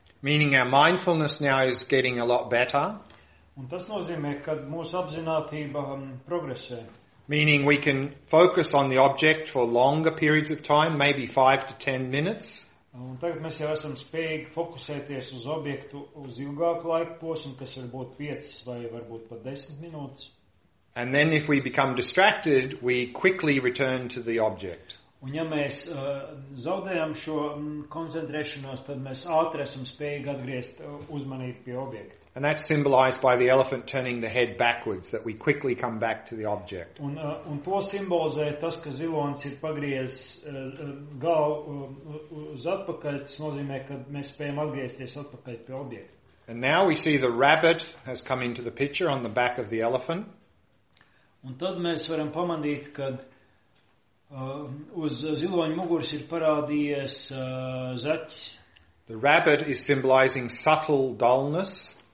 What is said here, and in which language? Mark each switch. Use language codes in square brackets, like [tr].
[en] Meaning our mindfulness now is getting a lot better. [lv] Un tas nozīmē, ka mūsu apzinātība progresē. [en] Meaning we can focus on the object for longer periods of time, maybe 5 to 10 minutes. [lv] Un tagad mēs jau esam spējīgi fokusēties uz objektu uz ilgāku laiku posmu, kas varbūt 5 vai varbūt pat 10 minūtes. [en] And then if we become distracted, we quickly return to the object. [lv] Un ja mēs zaudējam šo koncentrēšanos, tad mēs ātri esam spējīgi atgriezt uzmanību pie objekta. [en] And that's symbolized by the elephant turning the head backwards, that we quickly come back to the object. [lv] Un to simbolizē tas, ka zilons ir pagriez galvu uz atpakaļ, tas nozīmē, ka mēs spējam atgriezties atpakaļ pie objekta. [en] And now we see the rabbit has come into the picture on the back of the elephant. [lv] Un tad mēs varam pamanīt, kad uz ziloņa muguras ir parādījies zaķis. [en] The rabbit is symbolizing subtle dullness.